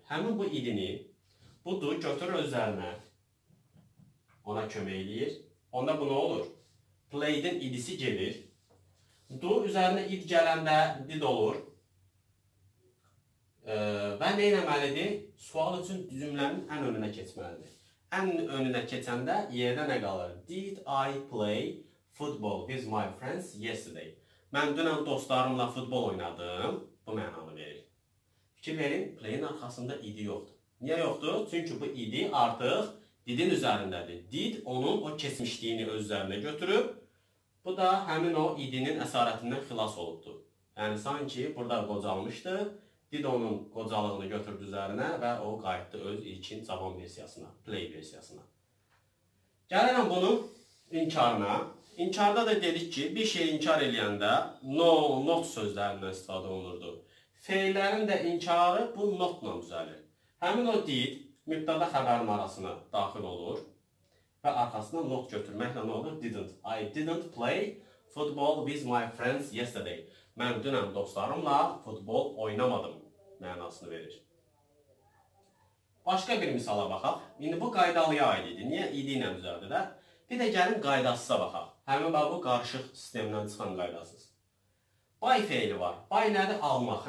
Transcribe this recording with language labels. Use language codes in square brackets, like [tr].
[az] Həmin bu idini, bu do götürür özlərinə, ona kömək eləyir. Onda bu nə olur? Play-din idisi gelir. Do üzərinə id gələndə did olur. Və nə eləməlidir? Sual üçün cümlənin ən önünə keçməlidir. Ən önünə keçəndə yerdə nə qalır? [en] Did I play football with my friends yesterday? [az] Mən dünən dostlarımla futbol oynadım. Bu mənanı verir. Fikir verin, play-in arxasında idi yoxdur. Niyə yoxdur? Çünki bu idi artıq didin üzərindədir. Did onun o keçmişliyini öz üzərində götürüb. Bu da həmin o idinin əsarətindən xilas olubdur. Yəni, sanki burada qocalmışdı. Did onun qocalığını götürdü üzərinə və o qayıtdı öz ilkin cavan versiyasına, play versiyasına. Gəlin bunun inkarına. İnkarda da dedik ki, bir şey inkar eləyəndə no, not sözlərindən istifadə olunurdu. Feillərin də inkarı bu notla düzəlir. Həmin o did mübtəda xəbərin arasına daxil olur və arxasına not götürməklə nə olur? [en] Didn't. I didn't play football with my friends yesterday. [az] Mən dünən dostlarımla futbol oynamadım mənasını verir. Başqa bir misala baxaq. İndi bu qaydalıya aid idi. Niyə idi ilə düzəldi də? Bir də gəlin qaydasına baxaq. Həmin bu qarışıq sistemdən çıxan qaydasız. Buy feili var. Buy nədir? Almaq.